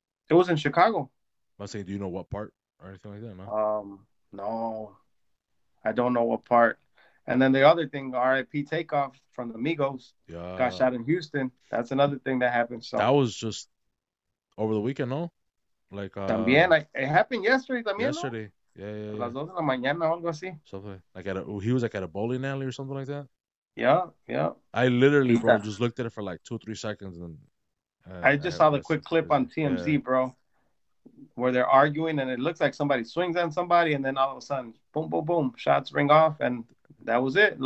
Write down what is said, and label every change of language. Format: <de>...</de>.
<en>It was in Chicago. I'm saying, do you know what part or anything like that? No. No, I don't know what part. And then the other thing, RIP Takeoff from the Migos, yeah, got shot in Houston. That's another thing that happened. So that was just over the weekend, no? Like,</en> <es>también,</es> <en>it happened yesterday, también. Yesterday, no? Yeah.</en> <es>Las dos de la mañana, algo así.</es> <en>Something like at a, he was like at a bowling alley or something like that. Yeah. I literally, bro, just looked at it for like 2 or 3 seconds, and I saw the quick clip on TMZ, bro. Where they're arguing and it looks like somebody swings on somebody and then all of a sudden boom boom boom shots ring off and that was it.</en>